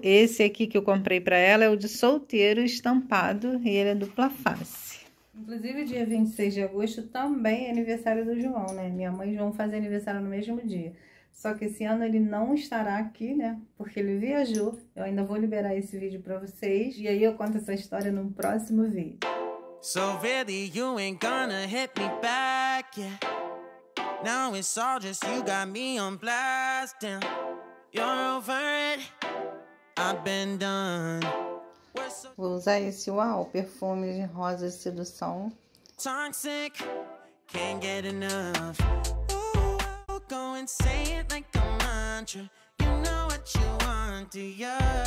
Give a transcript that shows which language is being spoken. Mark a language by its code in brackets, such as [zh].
[pt] Esse aqui que eu comprei pra ela é o de solteiro estampado e ele é dupla face. Inclusive, dia 26 de agosto também é aniversário do João, né? Minha mãe e João fazem aniversário no mesmo dia. Só que esse ano ele não estará aqui, né? Porque ele viajou. Eu ainda vou liberar esse vídeo pra vocês e aí eu conto essa história no próximo vídeo. [en] So really you ain't gonna hit me back, yeah. Now it's all just you got me on blast, damn. You're over it, I've been done. [pt] Vou usar esse UAU, perfume de rosa e sedução. [en] Toxic, can't get enough. Ooh, go and say it like a mantra. You know what you want, do ya?